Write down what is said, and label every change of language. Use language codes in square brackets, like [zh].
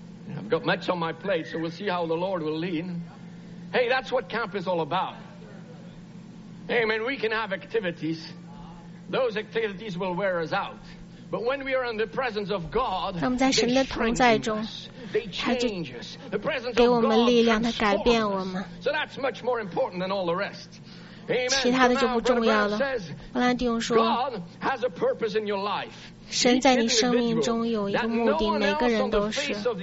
[en] I've got much on my plate, so we'll see how the Lord will lead. Hey, that's what camp is all about. Amen. We can have activities. Those activities will wear us out. But when we are in the presence of God, [zh] 我们在神的同在中。他就给我们力量，他改变我们。 [en] So that's much more important than all the rest. [zh] 其他的就不重要了。布兰迪翁说 [en] ，God has a purpose in your life. [zh] 神在你生命中有一个目的，每个人都是。